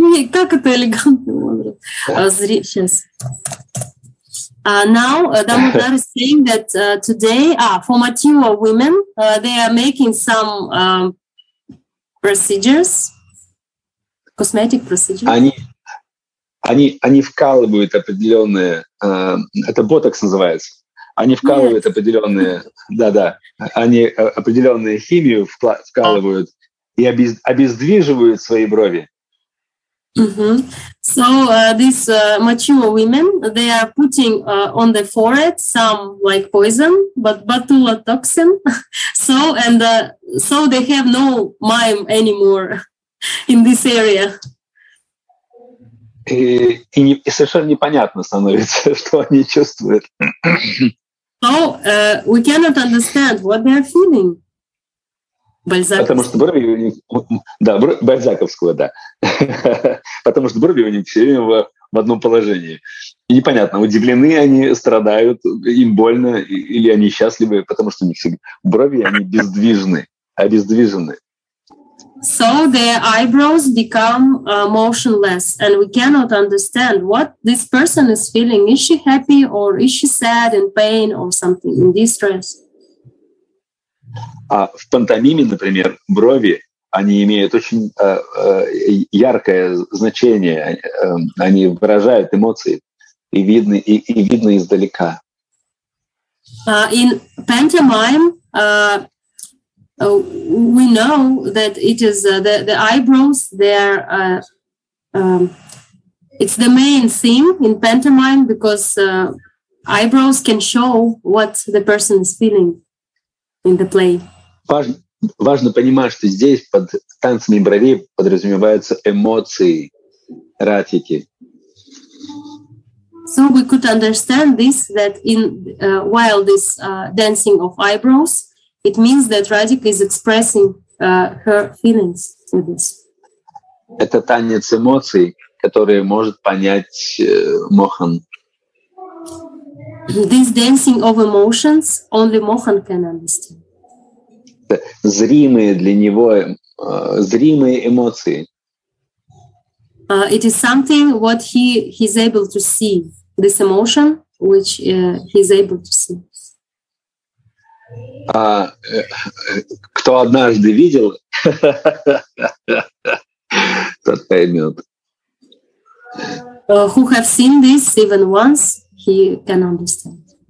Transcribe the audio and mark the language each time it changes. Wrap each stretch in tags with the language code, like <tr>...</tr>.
<ru>Как это элегантный возраст? Сейчас.</ru> <en>Damodar is saying that today, for mature women, they are making some procedures, cosmetic procedures.</en> <ru>Они, они вкалывают определенные, это ботокс называется, они вкалывают определенные, да-да, они определенные химию вкалывают и обездвиживают свои брови.</ru> <en>So these mature women, they are putting on the forehead some like poison, but botulotoxin. So and so they have no mime anymore in this area.</en> <ru>И совершенно непонятно становится, что они чувствуют.</ru> <en>So we cannot understand what they are feeling.</en> <ru>Бальзаковского. Потому что брови у них, да, бальзаковского, да. Потому что брови у них все время в одном положении. И непонятно, удивлены они, страдают, им больно, или они счастливы, потому что у них брови, они бездвижны, обездвижены.</ru> <en>So their eyebrows become motionless, and we cannot understand what this person is feeling. Is she happy, or is she sad, in pain, or something, in distress?</en> <ru>А в пантомиме, например, брови, они имеют очень яркое значение, они выражают эмоции, и видны, и видно издалека.</ru> <en>In pantomime, we know that it is the eyebrows, they are, it's the main theme in pantomime, because eyebrows can show what the person is feeling in the play.</en> <ru>Важно понимать, что здесь под танцами бровей подразумеваются эмоции, эротики.</ru> <en>So we could understand this, that in while this dancing of eyebrows, it means that Radhika is expressing her feelings with this.</en> <ru>Это танец эмоций, который может понять Мохан.</ru> <en>This dancing of emotions only Мохан can understand.</en> <ru>Зримые для него зримые эмоции.</ru> <en>It is something what he's able to see, this emotion which he's able to see.</en> <ru>Кто однажды видел, тот поймет.</ru> <en>Who have seen this even once, he can understand.</en>